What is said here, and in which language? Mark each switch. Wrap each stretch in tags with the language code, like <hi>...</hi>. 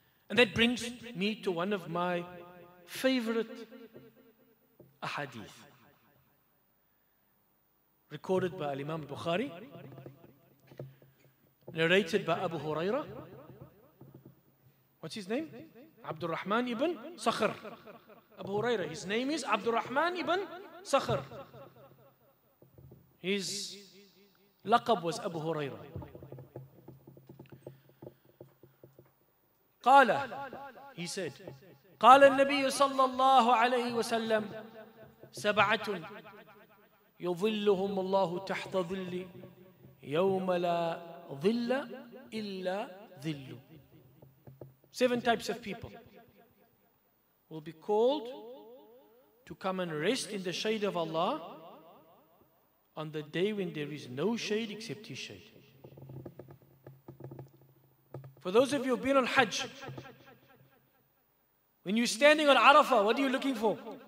<en>And that brings me to one of my favorite ahadith recorded by Imam Bukhari, narrated by Abu Huraira. What's his name? Abdul Rahman ibn Sakhr. Abu Huraira, his name is Abdul Rahman ibn Sakhr. His laqab was Abu Huraira.</en> <ar>قال,</ar> <en>he said,</en> <ar>قال النبي صلى الله عليه وسلم سبعة يظلهم الله تحت ظلي يوم لا ظل إلا ظل.</ar> <en>Seven types of people will be called to come and rest in the shade of Allah on the day when there is no shade except His shade. For those of you who've been on Hajj, when you're standing on Arafah, what are you looking for?</en>